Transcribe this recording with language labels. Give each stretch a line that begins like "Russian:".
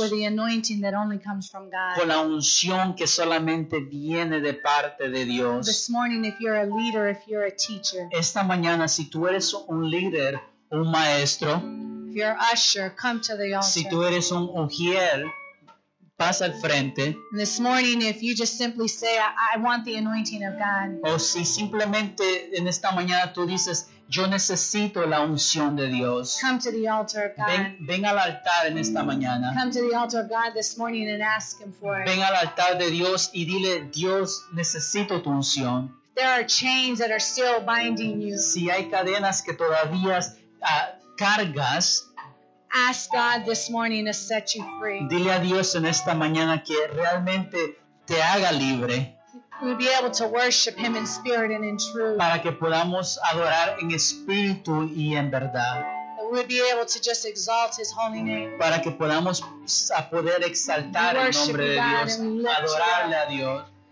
English: with the anointing that only comes from God.
Spanish: Con la unción que solamente viene de parte de Dios.
English: This morning, if you're a leader, if you're a teacher,
Spanish: esta mañana, si tú eres un líder, un maestro,
English: if you're an usher, come to the altar.
Spanish: Si tú eres un ujier, pasa al frente.
English: And this morning, if you just simply say, I want the anointing of God.
Spanish: O si simplemente en esta mañana tú dices, yo necesito la unción de Dios.
English: Come to the altar of God.
Spanish: Ven al altar en esta mañana.
English: Come to the altar of God this morning and ask Him for it.
Spanish: Ven al altar de Dios y dile, Dios, necesito tu unción.
English: There are chains that are still binding you.
Spanish: Si hay cadenas que todavía cargas,
English: ask God this morning to set you free.
Spanish: Dile a Dios en esta mañana que realmente te haga libre.
English: We'll be able to worship Him in spirit and in truth.
Spanish: Para que podamos adorar en espíritu y en verdad.
English: We'll be able to just exalt His holy name.
Spanish: Para que podamos a poder exaltar el nombre de Dios, adorarle a Dios.